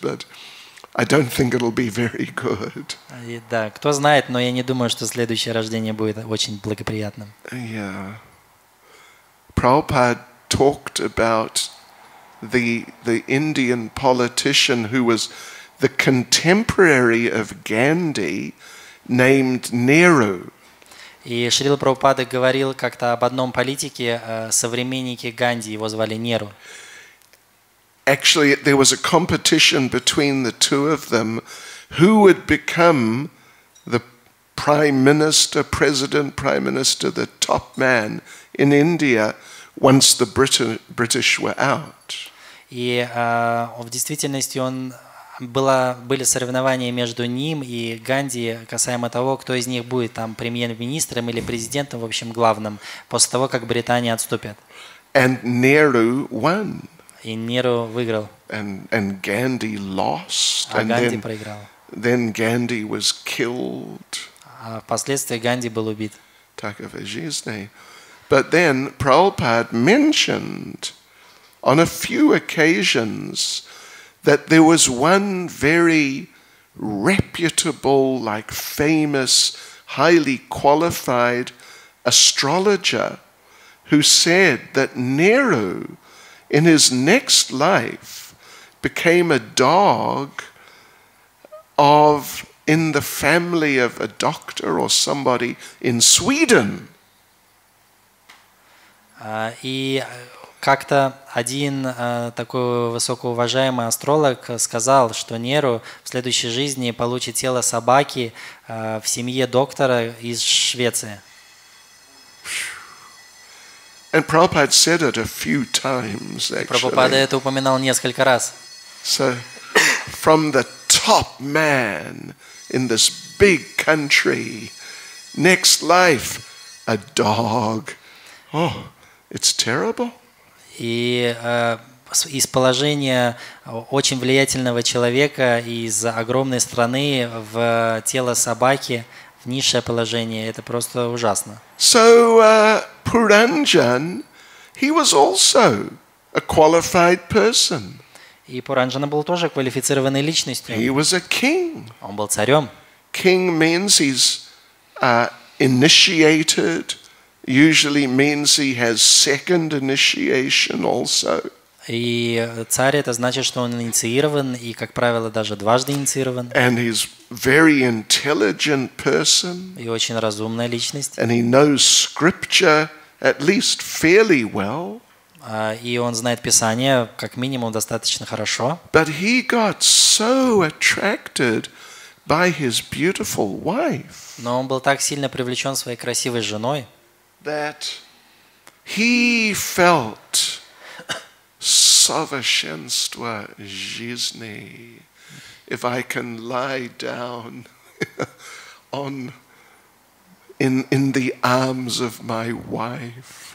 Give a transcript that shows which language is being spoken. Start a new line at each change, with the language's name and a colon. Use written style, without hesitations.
English: But I don't think it'll be very good.
Russian: Да, кто знает, но я не думаю, что следующее рождение будет очень благоприятным.
English: Yeah. Prabhupada talked about the Indian politician who was the contemporary of Gandhi, named Nehru.
Russian: И Шрила Прабхупада говорил как-то об одном политике, современнике Ганди, его звали Неру.
English: Actually, there was a competition between the two of them, who would become the prime minister, the top man in India once the British were out.
Russian: И в действительности были соревнования между ним и Ганди касаемо того, кто из них будет там премьер-министром или президентом, в общем, главным после того, как Британия отступит.
English: And Nehru won.
Russian: И Неру выиграл.
English: And Gandhi lost.
Russian: А Ганди проиграл.
English: Then Gandhi was killed.
Russian: А впоследствии Ганди был убит. Такова жизнь.
English: But then Prabhupada mentioned on a few occasions that there was one very reputable, like famous, highly qualified astrologer who said that Nero, in his next life, became a dog of in the family of a doctor or somebody in Sweden.
Russian: И как-то один такой высокоуважаемый астролог сказал, что Неро в следующей жизни получит тело собаки в семье доктора из Швеции.
English: And Prabhupada said it a few times, actually.
Russian: Прабхупада это упоминал несколько раз.
English: So, from the top man in this big country, next life, a dog. Oh, it's terrible.
Russian: И из положения очень влиятельного человека из огромной страны в тело собаки, в низшее положение, это просто ужасно.
English: So, Puranjan, he was also a qualified person.
Russian: И Пуранджана был тоже квалифицированной личностью.
English: He was a king.
Russian: Он был царем.
English: King means he's initiated. Usually means he has second initiation also.
Russian: И царь это значит, что он инициирован и, как правило, даже дважды инициирован.
English: And he's very intelligent person.
Russian: И очень разумная личность.
English: And he knows scripture at least fairly well.
Russian: И он знает Писание как минимум достаточно хорошо.
English: But he got so attracted by his beautiful wife.
Russian: Но он был так сильно привлечен своей красивой женой.
English: That he felt
Russian: совершенство жизни.
English: If I can lie down on in the arms of my wife.